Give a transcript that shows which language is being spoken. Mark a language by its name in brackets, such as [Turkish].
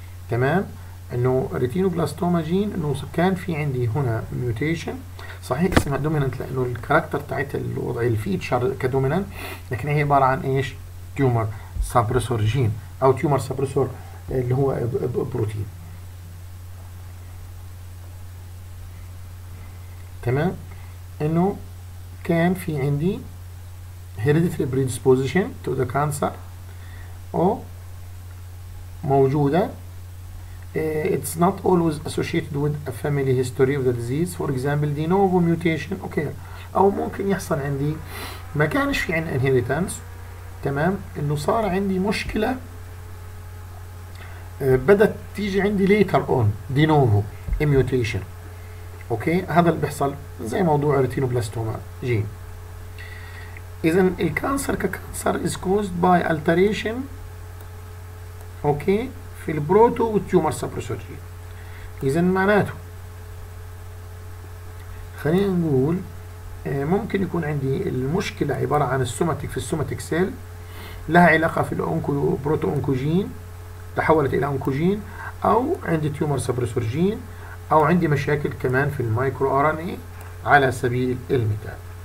[Arabic] تمام، انه ريتينوبلاستوما جين انه كان في عندي هنا ميوتيشن صحيح اسمها دوميننت لانه الكاركتر تاعتها الوضع الفيتشر كدوميننت، لكن هي عباره عن ايش؟ تيومر سابريسور جين او تيومر سابريسور اللي هو بروتين، تمام، انه كان في عندي هيريديتري بريدسبوزيشن تو ذا كانسر او موجوده. [English] It's not always associated with a family history of the disease. For example, de novo mutation. Okay. [Arabic] أو ممكن يحصل عندي ما كانش في عندي inheritance. تمام. إنه صار عندي مشكلة بدأت تيجي عندي [English] later on. De novo mutation. Okay. [Arabic] هذا اللي بيحصل زي موضوع الريتينوبلاستوما جين. إذا الكانسر ككانسر [English] is caused by alteration. Okay. [Arabic] في البروتو والتيومر سابريسور جين. إذا معناته خلينا نقول ممكن يكون عندي المشكلة عبارة عن السوماتيك، في السوماتيك سيل لها علاقة في الأونكو بروتو أونكوجين، تحولت إلى أونكوجين، أو عندي تيومر سبريسور جين، أو عندي مشاكل كمان في المايكرو آر إن إيه على سبيل المثال.